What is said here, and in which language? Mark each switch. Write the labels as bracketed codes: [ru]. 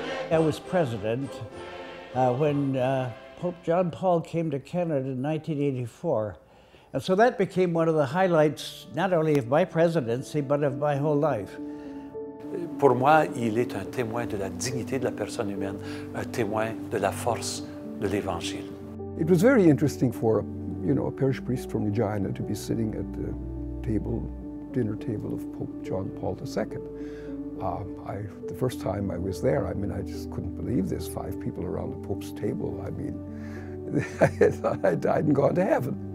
[en] I was president when Pope John Paul came to Canada in 1984. And so that became one of the highlights, not only of my presidency, but of my whole life. [fr] Pour moi, il est un témoin de la dignité de la personne humaine, un témoin de la force de l'Évangile. [en] It was very interesting for, you know, a parish priest from Regina to be sitting at the table, dinner table of Pope John Paul II. The first time I was there, I mean, I just couldn't believe this. Five people around the Pope's table. I mean, I thought I'd died and gone to heaven.